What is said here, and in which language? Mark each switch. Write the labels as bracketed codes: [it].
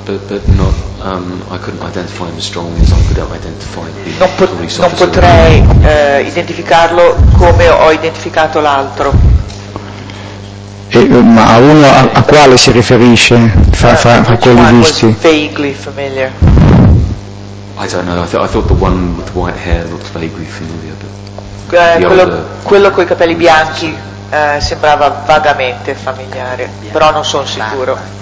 [it] Non potrei identificarlo come ho identificato l'altro. Ma a uno a quale si riferisce fra quelli visti? [en] Vaguely familiar. I don't know. I thought the one with the white hair looked vaguely familiar, but [it] quello coi capelli bianchi sembrava vagamente familiare, però non sono sicuro.